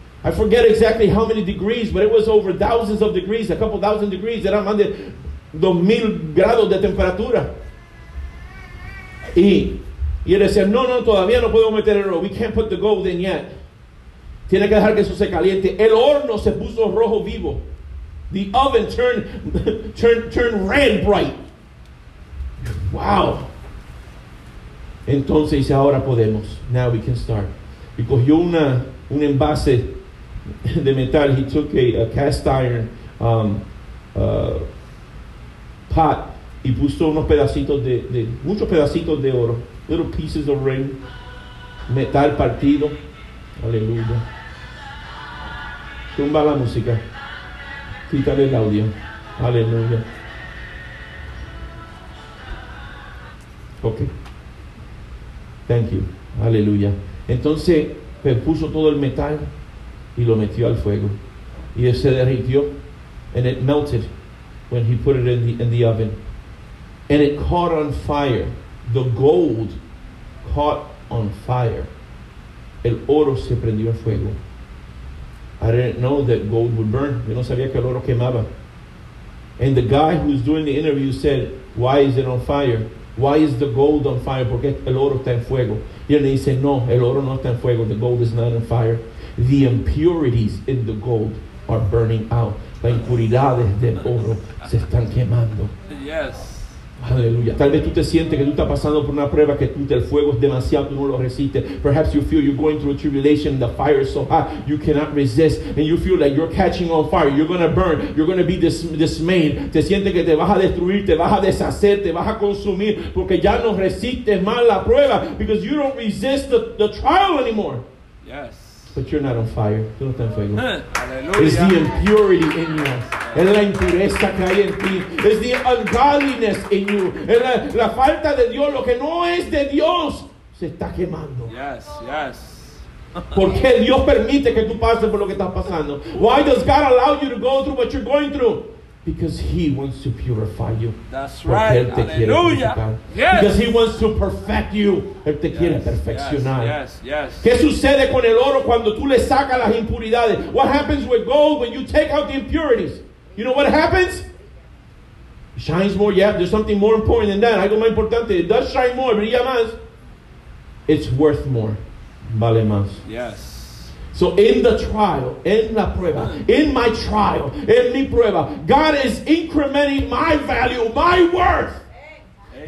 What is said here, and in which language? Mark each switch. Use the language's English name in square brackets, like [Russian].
[English] I forget exactly how many degrees, but it was over thousands of degrees, a couple thousand degrees. [Spanish] Era más de 2,000 grados de temperatura. Y él decía, no, todavía no podemos meter el oro. [English] We can't put the gold in yet. [Spanish] Tiene que dejar que eso se caliente. El horno se puso rojo vivo. [English] The oven turned red bright. [Spanish] Wow. Entonces dice, ahora podemos. [English] Now we can start. [Spanish] Y cogió un envase de metal, [English] he took a cast iron pot [Spanish] y puso unos pedacitos de muchos pedacitos de oro, [English] little pieces of ring, [Spanish] metal partido. Aleluya. Tumba la música, quítale el audio. Aleluya. [English] Okay, thank you. Aleluya. [Spanish] Entonces puso todo el metal y lo metió al fuego. Y se derritió. [English] And it melted when he put it in the oven. And it caught on fire. The gold caught on fire. [Spanish] El oro se prendió al fuego. [English] I didn't know that gold would burn. [Spanish] Yo no sabía que el oro quemaba. [English] And the guy who was doing the interview said, why is it on fire? Why is the gold on fire? [Spanish] Porque el oro está en fuego. Y él dice, no, el oro no está en fuego. [English] The gold is not on fire. The impurities in the gold are burning out. [Spanish] Las impuridades del oro se están quemando. [English] Yes. [Spanish] Aleluya. Tal vez tú te sientes que tú estás pasando por una prueba que tú, el fuego es demasiado, tú no lo resistes. [English] Perhaps you feel you're going through a tribulation and the fire is so hot you cannot resist and you feel like you're catching on fire, you're going to burn, you're going to be dismayed. [Spanish] Te sientes que te vas a destruir, te vas a deshacer, te vas a consumir porque ya no resistes más la prueba, [English] because you don't resist the trial anymore. Yes. But you're not on fire. [Spanish] Tú no estás en fuego. [English] Hallelujah. It's the impurity in you. [Spanish] Es la impureza que hay en ti. [English] It's the ungodliness in you. [Spanish] Es la falta de Dios. Lo que no es de Dios se está quemando. [English] Yes, yes. [Spanish] ¿Por qué Dios permite que tú pases por lo que estás pasando? [English] Why does God allow you to go through what you're going through? Because he wants to purify you. That's right. [Spanish] Él te [English] Hallelujah. Yes. Because he wants to perfect you. [Spanish] Él te quiere perfeccionar. [English] Yes, yes, yes. [Spanish] ¿Qué sucede con el oro cuando tú le sacas las impuridades? [English] What happens with gold when you take out the impurities? You know what happens? It shines more. Yeah, there's something more important than that. [Spanish] Algo más importante. [English] It does shine more. [Spanish] Brilla más. [English] It's worth more. [Spanish] Vale más. [English] Yes. So in the trial, in [Spanish] la prueba, [English] in my trial, in [Spanish] mi prueba, [English] God is incrementing my value, my worth. Amen.